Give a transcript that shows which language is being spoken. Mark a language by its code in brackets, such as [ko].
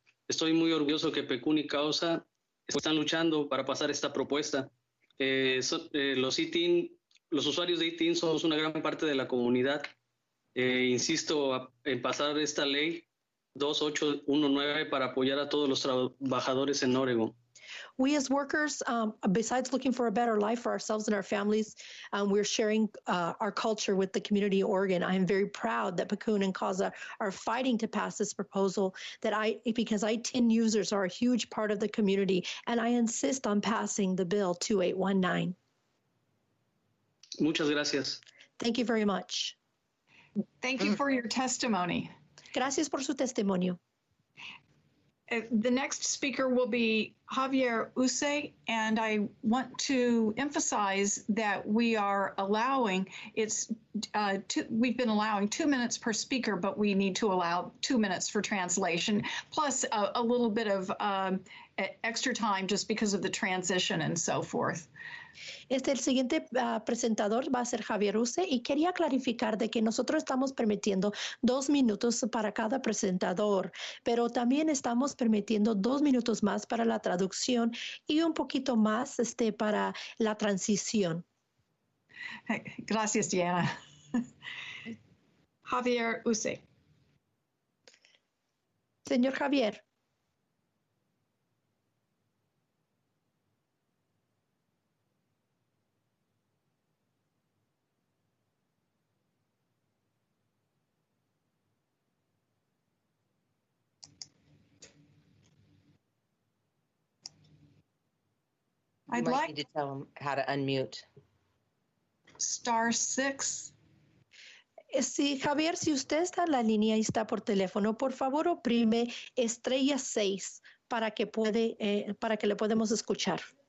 [es] Estoy muy orgulloso que Pecún y Causa están luchando para pasar esta propuesta. Los usuarios de ITIN somos una gran parte de la comunidad. Insisto en pasar esta ley 2819 para apoyar a todos los trabajadores en Oregon. [en] We as workers, besides looking for a better life for ourselves and our families, we're sharing our culture with the community of Oregon. I am very proud that Pecún and Causa are fighting to pass this proposal because I-10 users are a huge part of the community, and I insist on passing the bill 2819. [es] Muchas gracias. [en] Thank you very much. Thank you for your testimony. [es] Gracias por su testimonio. [en] The next speaker will be Javier Use, and I want to emphasize that we are allowing, we've been allowing 2 minutes per speaker, but we need to allow 2 minutes for translation, plus a little bit of extra time just because of the transition and so forth. [es] El siguiente presentador va a ser Javier Use, y quería clarificar de que nosotros estamos permitiendo 2 minutos para cada presentador, pero también estamos permitiendo 2 minutos más para la traducción y un poquito más para la transición. Gracias, Diana. Javier Use. Señor Javier. [en] I'd like need to tell them how to unmute. Star 6. [es] Si Javier, si usted está en la línea y está por teléfono, por favor oprime estrella 6 para que le podemos escuchar.